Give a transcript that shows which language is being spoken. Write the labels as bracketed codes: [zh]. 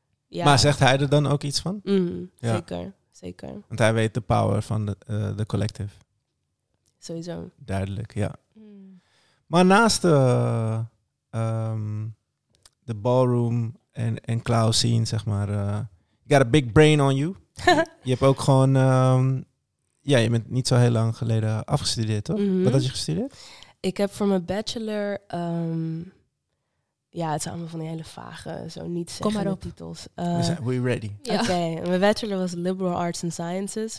[nl] Maar zegt hij er dan ook iets van? Mm, ja. Zeker. Want hij weet de power van de collective. Sowieso. Duidelijk, ja. Mm. Maar naast de ballroom en Klauw scene, zeg maar... [en] you got a big brain on you. [nl] Je hebt ook gewoon... je bent niet zo heel lang geleden afgestudeerd, toch? Mm-hmm. Wat had je gestudeerd? Ik heb voor mijn bachelor... het zijn allemaal van die hele vage, zo niet zeggende titels. [en] We're ready. [nl] Ja. Oké, mijn bachelor was Liberal Arts and Sciences...